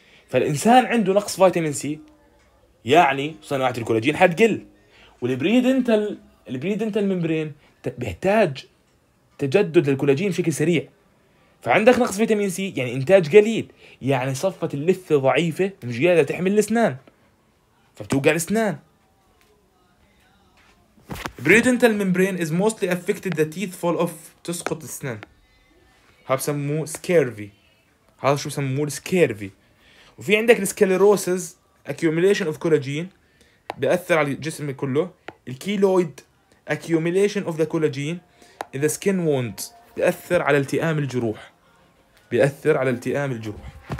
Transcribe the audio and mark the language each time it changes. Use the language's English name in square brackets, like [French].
[Arabic] فالإنسان عنده نقص فيتامين سي يعني صناعة الكولاجين حتقل، والبريدنتال الممبرين بيحتاج تجدد للكولاجين بشكل سريع، فعندك نقص فيتامين سي يعني إنتاج قليل، يعني صفة اللثة ضعيفة مش قادرة تحمل الأسنان فبتوقع الأسنان. [English] Bridental membrane is mostly affected the teeth fall off [Arabic] تسقط الأسنان، ها بسموه [English] scurvy، [Arabic] هذا شو بسموه [English] scurvy. [Arabic] وفي عندك sclerosis [English] accumulation of collagen [Arabic] بيأثر على الجسم كله، الكيلويد [English] accumulation of the collagen in the skin wound [Arabic] بيأثر على التئام الجروح، بيأثر على التئام الجروح.